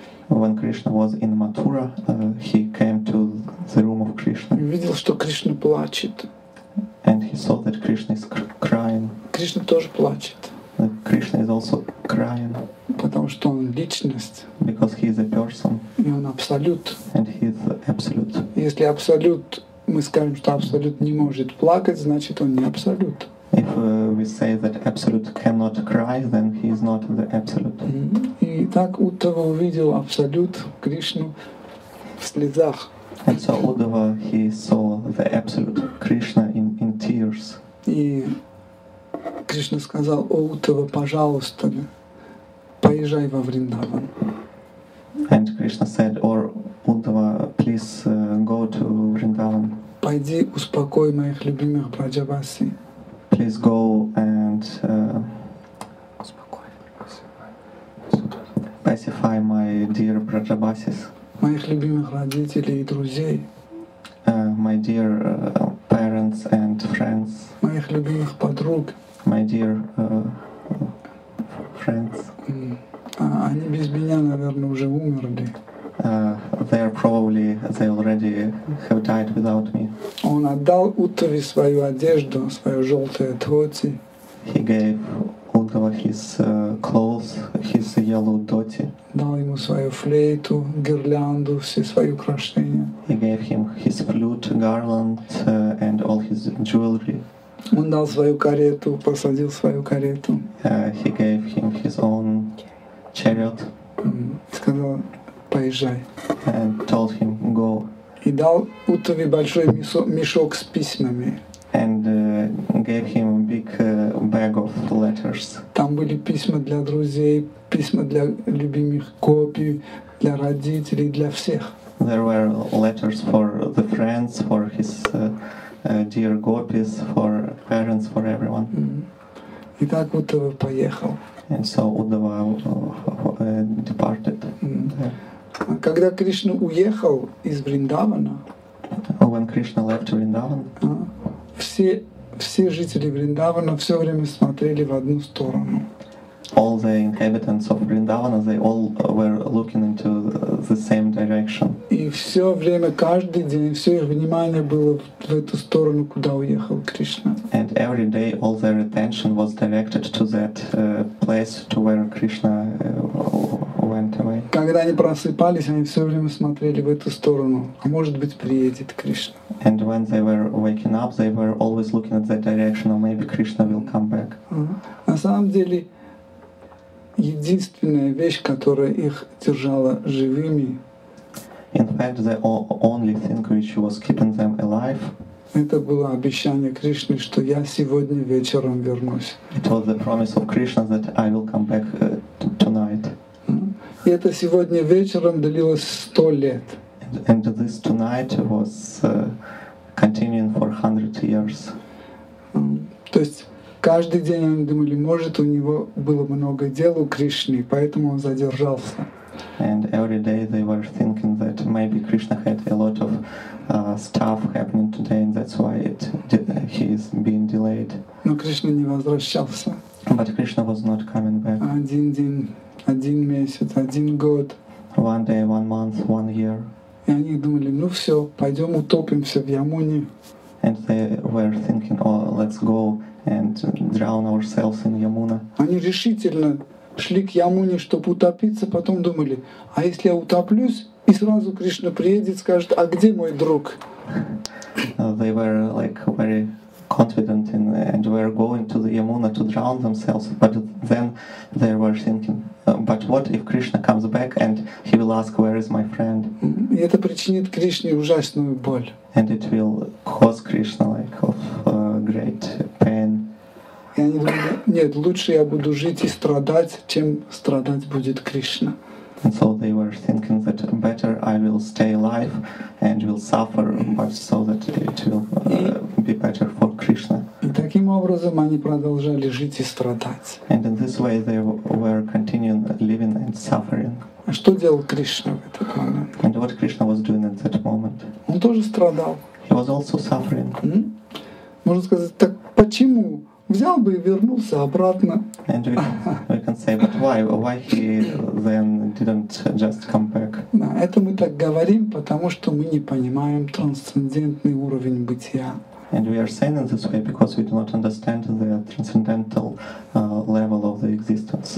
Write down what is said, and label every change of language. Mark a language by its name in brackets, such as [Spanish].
[English] When Krishna was in Mathura, he came to the room of Krishna. [Russian] И видел, что Кришна плачет. [English] And he saw that Krishna is crying. [Russian] Кришна тоже плачет. [English] Krishna is also crying. [Russian] Потому что он личность. [English] Because he is a person. [Russian] И он абсолют. [English] And he is absolute. [Russian] Если абсолют, мы скажем, что абсолют не может плакать, значит он не абсолют. [English] If we say that Absolute cannot cry, then he is not the Absolute. [Russian] И так Уттава увидел Абсолют, Кришну, в слезах. [English] And so Uddhava, he saw the Absolute, Krishna, in tears. [Russian] И Кришна сказал, о, Уттава, пожалуйста, поезжай во Вриндаван. [English] And Krishna said, or Uddhava, please go to Vrindavan. [Russian] Пойди успокой моих любимых Браджаваси. [English] Please go and pacify my dear Prajabasis. [Russian] Моих любимых родителей и друзей. [English] My dear parents and friends. [Russian] Моих любимых подруг. [English] My dear friends. [Russian] Они без меня, наверное, уже умерли. [English] They already have died without me. [Russian] Он отдал Уттаве свою одежду, свою желтую дхоти. [English] He gave Uttava his clothes, his yellow dhoti. [Russian] Дал ему свою флейту, гирлянду, все свои украшения. [English] He gave him his flute, garland, and all his jewelry. [Russian] Он дал свою карету, посадил свою карету. [English] He gave him his own chariot. [Russian] Сказал, поезжай. [English] And told him, go. [Russian] И дал Уттаве большой мешок с письмами. [English] And gave him a big bag of letters. [Russian] Там были письма для друзей, письма для любимых копий, для родителей, для всех. [English] There were letters for the friends, for his dear gopis, for parents, for everyone. [Russian] И так вот поехал. [English] And so Uddhava departed. [Russian] Когда Кришна уехал из Вриндавана, [English] when Krishna left Vrindavan, [Russian] все жители Вриндавана все время смотрели в одну сторону. [English] All the inhabitants of Vrindavana, they all were looking into the same direction. [Russian] И все время, каждый день, все их внимание было в эту сторону, куда уехал Кришна. [English] And every day, all their attention was directed to that place, to where Krishna went away. [Russian] Когда они просыпались, они все время смотрели в эту сторону. А может быть, приедет Кришна. [English] And when they were waking up, they were always looking at that direction, or maybe Krishna will come back. [Russian] На самом деле, единственная вещь, которая их держала живыми, [English] in fact, the only thing which was keeping them alive, [Russian] это было обещание Кришны, что я сегодня вечером вернусь. [English] It was the promise of Krishna that I will come back tonight. [Russian] И это сегодня вечером длилось 100 лет. [English] And this tonight was continuing for 100 years. [Russian] То есть каждый день они думали, может, у него было много дел у Кришны, поэтому он задержался. [English] And every day they were thinking that maybe Krishna had a lot of stuff happening today, and that's why he is being delayed. [Russian] Но Кришна не возвращался. [English] But Krishna was not coming back. [Russian] Один день, один месяц, один год. [English] One day, one month, one year. [Russian] И они думали, ну все, пойдем утопимся в Ямуне. [English] And they were thinking, oh, let's go and drown ourselves in Yamuna. [Russian] Они решительно шли к Ямуне, чтобы утопиться, потом думали, а если я утоплюсь, и сразу Кришна приедет, скажет, а где мой друг? [English] They were like very confident in, and were going to the Yamuna to drown themselves, but then they were thinking, but what if Krishna comes back and he will ask, where is my friend? [Russian] И это причинит Кришне ужасную боль. [English] And it will cause Krishna like of great pain. [Russian] И они думали, нет, лучше я буду жить и страдать, чем страдать будет Кришна. [English] And so they were thinking that better I will stay alive and will suffer, but so that it will be better for Krishna. [Russian] И таким образом они продолжали жить и страдать. [English] And in this way they were continuing living and suffering. [Russian] А что делал Кришна в этот момент? [English] And what Krishna was doing at that moment? [Russian] Он тоже страдал. [English] He was also suffering. [Russian] Можно сказать, так почему? Взял бы и вернулся обратно. [English] And we can say, but why he then didn't just come back? [Russian] Да, это мы так говорим, потому что мы не понимаем трансцендентный уровень бытия. [English] And we are saying in this way because we do not understand the transcendental level of the existence.